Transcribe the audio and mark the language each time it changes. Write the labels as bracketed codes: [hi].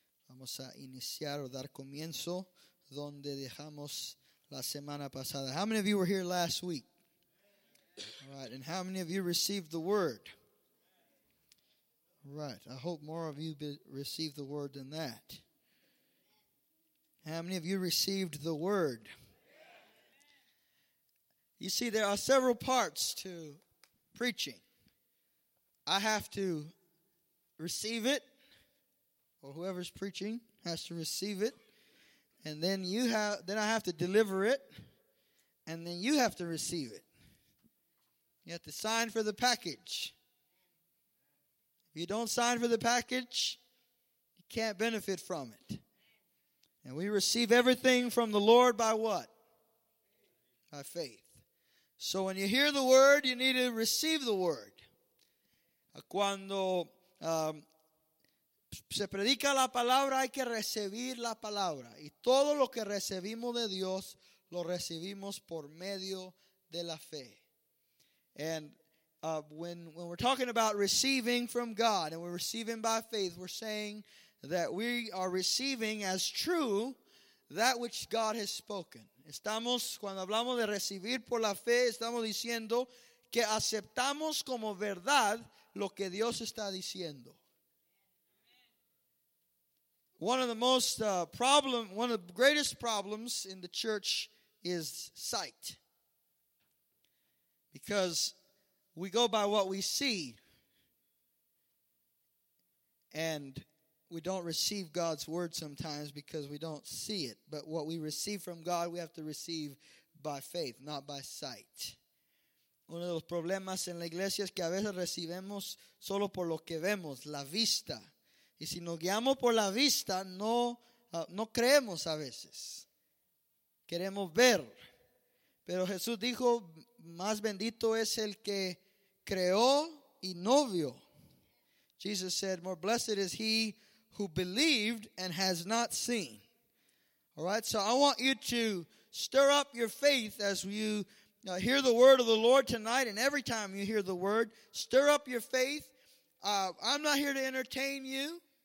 [es] Vamos a iniciar o dar comienzo donde dejamos la semana pasada. [en] How many of you were here last week? All right, and how many of you received the word? Right, I hope more of you received the word than that. How many of you received the word? You see, there are several parts to preaching. I have to receive it, or whoever's preaching has to receive it, and then I have to deliver it, and then you have to receive it. You have to sign for the package. If you don't sign for the package, you can't benefit from it. And we receive everything from the Lord by what? By faith. So when you hear the word, you need to receive the word. [es] Cuando se predica la palabra, hay que recibir la palabra. Y todo lo que recibimos de Dios, lo recibimos por medio de la fe. [en] And when we're talking about receiving from God, and we're receiving by faith, we're saying that we are receiving as true that which God has spoken. [es] Estamos, cuando hablamos de recibir por la fe, estamos diciendo que aceptamos como verdad lo que Dios está diciendo. [en] One of the most one of the greatest problems in the church is sight. Because we go by what we see and we don't receive God's word sometimes because we don't see it. But what we receive from God, we have to receive by faith, not by sight. [es] Uno de los problemas en la iglesia es que a veces recibimos solo por lo que vemos, la vista. Y si nos guiamos por la vista, no creemos a veces. Queremos ver. Pero Jesús dijo, más bendito es el que creó y no vio. [en] Jesus said, more blessed is he who believed and has not seen. All right, so I want you to stir up your faith as you hear the word of the Lord tonight, and every time you hear the word, stir up your faith. I'm not here to entertain you.